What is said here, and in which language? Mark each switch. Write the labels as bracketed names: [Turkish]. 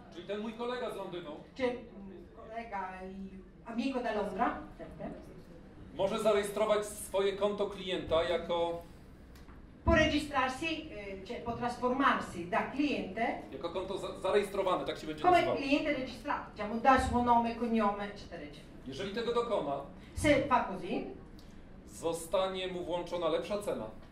[Polish] Czyli ten mój kolega z Londynu. Kolega [Italian] i amico da Londra. [Polish] Może zarejestrować swoje konto klienta jako. [Italian] Può registrarsi, cioè può trasformarsi da cliente. [Polish] Jako konto zarejestrowane, tak się będzie nazywało. [Italian] Come cliente registrato, diciamo, da suo nome, cognome, eccetera, eccetera. [Polish] Jeżeli tego dokona. [Italian] Se fa così. [Polish] Zostanie mu włączona lepsza cena.